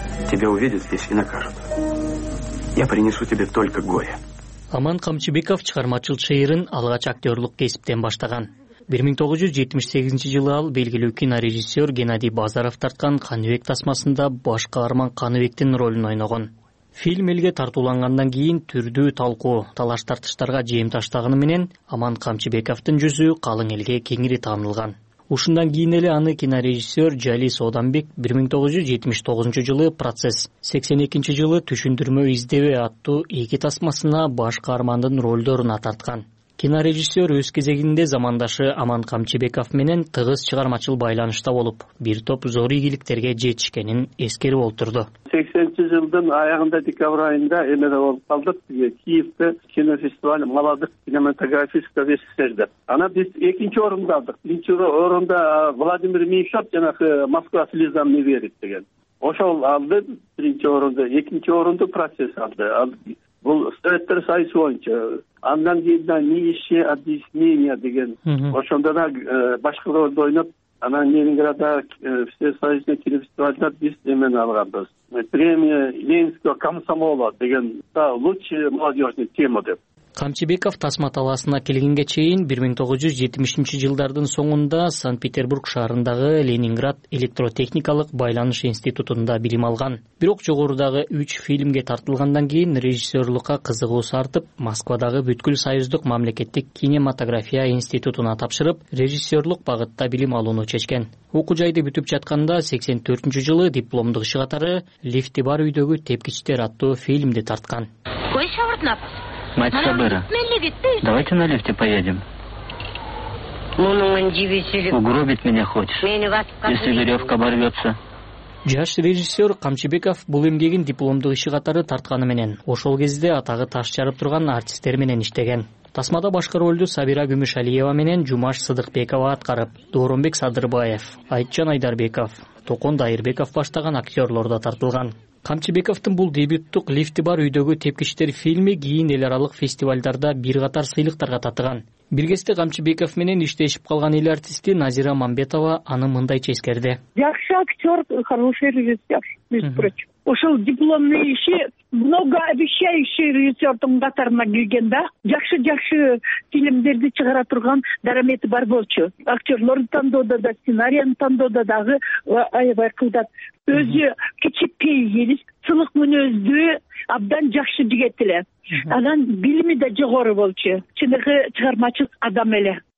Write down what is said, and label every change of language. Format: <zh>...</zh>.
<ru>Тебя увидят здесь и накажут. Я принесу тебе только горе.</ru> <ky>Аман Камчыбеков чыгармачыл шыйырын алгач актёрлук кесиптен баштаган. 1978 жылы ал белгилүү кинорежиссер Геннадий Базаров тарткан Каныбек тасмасында баш каарман Каныбектин ролун ойногон. Фильм элге тартуулангандан кийин түрдүү талкуу, талаш тартыштарга жем таштаганы менен Аман Камчыбековдун жүзү калың элге кеңири таанылган. Ушундан кийин эле аны кинорежиссер Жалис Оданбек 1979 жылы «Процесс», 82 жылы «Түшүндүрмө издебе» аттуу эки тасмасына баш каармандын ролдорун атарткан. Кинорежиссер өз кезегинде замандашы Аман Камчыбеков менен тыгыз чыгармачыл байланышта болуп, бир топ зор ийгиликтерге жетишкенин эскерип отурду. 80-чи жылдын аягында декабрь айында эмеде болуп калдык.</ky> <ru>Киевде кинофестиваль Молодых кинематографистов СССР.</ru> <ky>Ана биз экинчи орунда алдык. Биринчи орунда Владимир Меньшов жана Москва слезам не верит деген. Ошол алды биринчи орунду, экинчи орунду процесс алды. Бул советтер союзу боюнча андан кийин да Нищие объяснения деген ошондо да башка ролду ойноп анан Ленинграда всесоюзный кинофестивальда биз эмени алганбыз.</ky> <ru>Премия Ленинского комсомола деген лучшая молодежная тема деп.</ru> <ky>Камчыбеков Тасма талаасына келгенге чейин 1970-жылдардын соңунда Санкт-Петербург шаарындагы Ленинград электротехникалык байланыш институтунда билим алган. Бирок жогорудагы 3 фильмге тартылгандан кийин режиссерлукка кызыгуусу артып, Москвадагы Бүткүл Союздук мамлекеттик кинематография институтуна тапшырып, режиссерлук багытта билим алууну чечкен. Окуу жайды бүтүп жатканда 84-жылы дипломдук иши катары Лифти бар үйдөгү тепкичтер аттуу фильмди тарткан.</ky> <ru>Мать Сабыра, давайте на лифте поедем. Угробить меня хочешь, если веревка оборвется.</ru> <ky>Жаш режиссер Камчыбеков бул эмгегин дипломдук иши катары тартканы менен ошол кезде атагы таш жарып турган артисттер менен иштеген. Тасмада башкы ролду Сабира Күмүшалиева менен Жумаш Сыдыкбекова аткарып, Дооронбек Садырбаев, Айтжан Айдарбеков, Токон Дайырбеков баштаган актерлор да тартылган. Камчыбековдун бул дебюттук «Лифти бар үйдөгү тепкичтер» фильми кийин эл аралык фестивалдарда бир катар сыйлыктарга татыган. Бир кезде Камчыбеков менен иштешип калган эл артисти Назира Мамбетова аны мындайча эскерди. Жакшы актер,</ky> <ru>хороший режиссер, без прочего.</ru> <ky>Ошол дипломный иши</ky> <ru>много обещающий</ru> <ky>режиссердун катарына келген да. Жакшы-жакшы фильмдерди чыгара турган дарамети бар болчу. Актерлорду тандоодо да, сценарийни тандоодо дагы аябай кылдат. Өзү кичипейгилис, сынык мүнөздүү, абдан жакшы жигит эле. Анан билими да жогору болчу. Чыныгы чыгармачыл адам эле.</ky>